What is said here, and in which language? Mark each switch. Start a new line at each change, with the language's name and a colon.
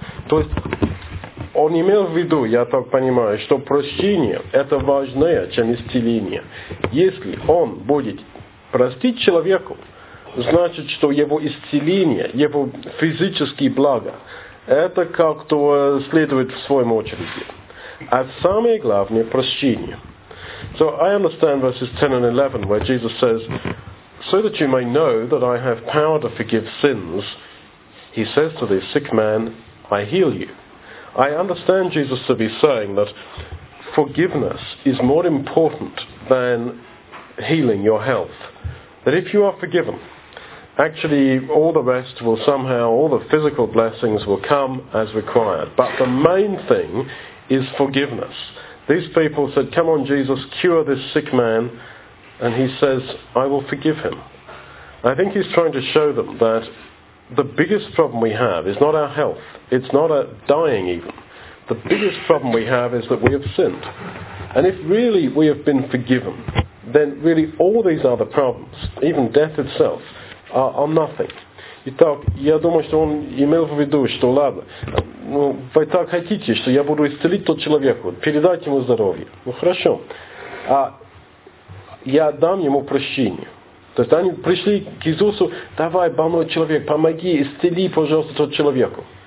Russian: То есть, он имел в виду, я так понимаю, что прощение – это важнее, чем исцеление. Если он будет простить человеку, значит, что его исцеление, его физические блага – это как-то следует в своем очереди. А самое главное – прощение.
English: So, I understand verses 10 and 11, where Jesus says, so that you may know that I have power to forgive sins, he says to the sick man, I heal you. I understand Jesus to be saying that forgiveness is more important than healing your health. That if you are forgiven, actually all the rest will somehow, all the physical blessings will come as required. But the main thing is forgiveness. These people said, come on Jesus, cure this sick man. And he says, I will forgive him. I think he's trying to show them that the biggest problem we have is not our health. It's not our dying even. The biggest problem we have is that we have sinned. And if really we have been forgiven, then really all these other problems, even death itself, are nothing.
Russian: Итак, я думаю, что он имел в виду, что ладно, ну, вы так хотите, что я буду исцелить тот человек, передать ему здоровье. Ну, хорошо. Я дам ему прощение. То есть они пришли к Иисусу, давай, больной человек, помоги, исцели, пожалуйста, тот человеку.